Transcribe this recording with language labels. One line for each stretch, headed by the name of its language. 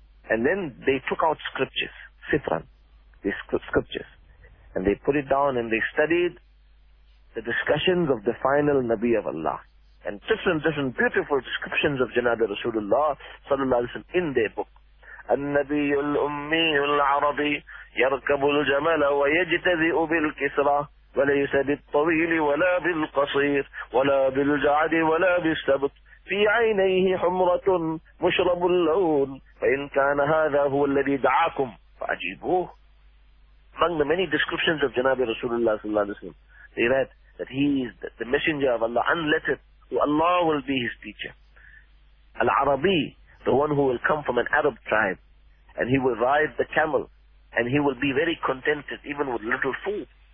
English: And then they took out scriptures, Sifran, these scriptures. And they put it down and they studied the discussions of the final Nabi of Allah. And different beautiful descriptions of Janabi Rasulullah sallallahu alayhi wa sallam in their book.
Arabic: النبي الأمي العربي يركب الجمل ويجتذئ بالكسرى وليس بالطويل ولا بالقصير ولا بالجعد ولا بالسبط، في عينيه حمرة مشرب اللون. فإن كان هذا هو الذي دعاكم فأجيبوه.
English: Among the many descriptions of Janabi Rasulullah sallallahu alayhi wa sallam, they read that he is the messenger of Allah, unlettered, who Allah will be his teacher. Al-Arabi, the one who will come from an Arab tribe, and he will ride the camel, and he will be very contented even with little food.